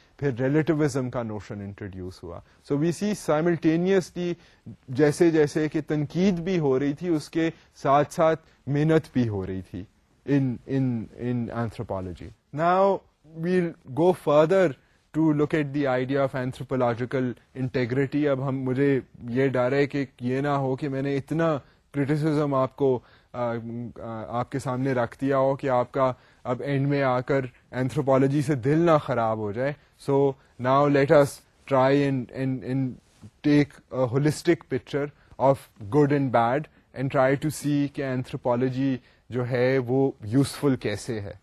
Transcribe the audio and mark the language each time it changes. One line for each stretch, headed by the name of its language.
Urdu: پھر ریلیٹوزم کا notion introduce ہوا.
English: so we see simultaneously
Urdu: جیسے جیسے کہ تنقید بھی ہو رہی تھی اس کے ساتھ ساتھ محنت بھی ہو رہی تھی ان anthropology.
English: Now we'll go further to look at the idea of anthropological integrity.
Urdu: اب ہم مجھے یہ ڈر ہے کہ یہ نہ ہو کہ میں نے اتنا کرٹیسزم آپ کو آپ کے سامنے رکھ دیا ہو کہ آپ کا اب اینڈ میں آ کر اینتھروپالوجی سے دل نہ خراب ہو جائے.
English: so now let us try and take a holistic picture of good and bad and try to see
Urdu: کہ اینتھروپالوجی جو ہے وہ یوزفل کیسے ہے.